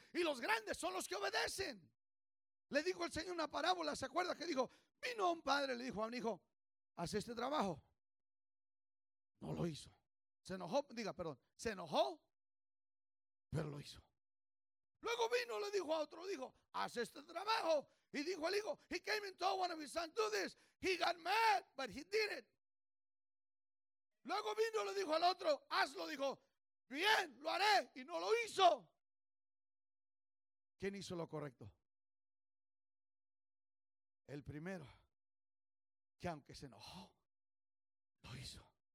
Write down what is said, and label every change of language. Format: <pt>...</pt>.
<es>Y los grandes son los que obedecen. Le dijo el Señor una parábola, ¿se acuerda? Que dijo, vino un padre, le dijo a un hijo, haz este trabajo. No lo hizo. Se enojó, pero lo hizo. Luego vino, le dijo a otro, dijo, haz este trabajo. Y dijo el hijo,</es> <en>he came and told one of his sons, do this. He got mad, but he did it.</en> <es>Luego vino y le dijo al otro, hazlo, dijo, bien, lo haré, y no lo hizo. ¿Quién hizo lo correcto? El primero, que aunque se enojó, lo hizo.</es>